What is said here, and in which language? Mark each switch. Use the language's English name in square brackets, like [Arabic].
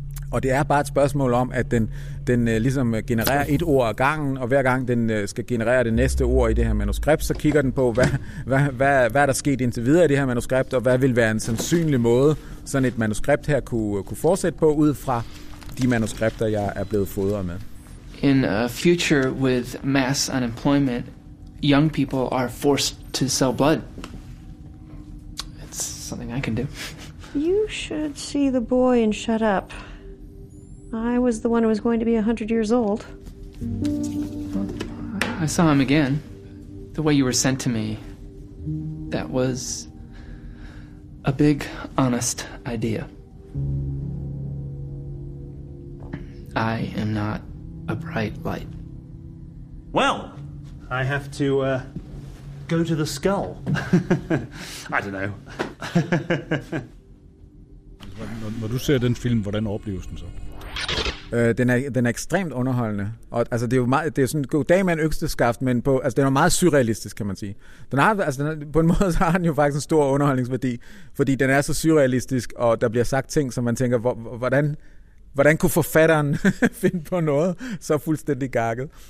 [Danish] Og det er bare et spørgsmål om, at den ligesom genererer et ord ad gangen, og hver gang den skal generere det næste ord i det her manuskript, så kigger den på, hvad der er sket indtil videre i det her manuskript, og hvad vil være en sandsynlig måde, sådan et manuskript her kunne fortsætte på, ud fra de manuskripter, jeg er blevet fodret med. [English] In a future with mass unemployment, young people are forced to sell blood. It's something I can do. You should see the boy and shut up. I was the one who was going to be 100 years old. Well, I saw him again. The way you were sent to me, that was a big, honest idea. I am not a bright light. Well, I have to go to the skull. I don't know. [Danish] Når du ser den film, hvordan opleves den så? Den er ekstremt underholdende. Og altså det er jo meget, det er sådan goddag mand økseskaft, men på altså det er jo meget surrealistisk, kan man sige. Den har altså den er, på en måde så har den jo faktisk en stor underholdningsværdi, fordi den er så surrealistisk, og der bliver sagt ting, som man tænker hvordan kunne forfatteren finde på noget så fuldstændig gakket.